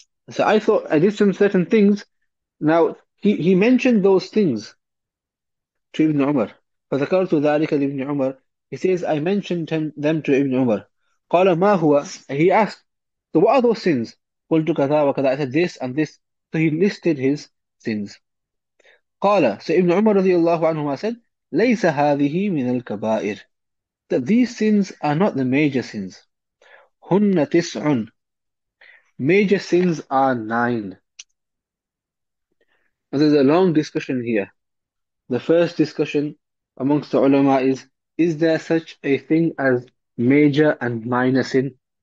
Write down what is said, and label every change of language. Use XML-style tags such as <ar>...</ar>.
<en>So I thought I did some certain things. Now he mentioned those things to Ibn Umar.</en> <ar>فَذَكَرْتُ ذَلِكَ لِبْن عُمَرَ,</ar> <en>he says, I mentioned them to Ibn Umar.</en> <ar>قَالَ مَا هُوَ,</ar> <en>and he asked, so what are those sins?</en> <ar>قُلْتُ كَذَا وَكَذَا,</ar> <en>I said this and this. So he listed his sins.</en> <ar>قال,</ar> <en>so Ibn Umar</en> <ar>رضي الله عنهما</ar> <en>said,</en> <ar>ليس هذه من الكبائر,</ar> <en>that these sins are not the major sins.</en> <ar>Hunna tis'un.</ar> <en>Major sins are nine. And there's a long discussion here. The first discussion amongst the ulama is there such a thing as major and minor sin?</en>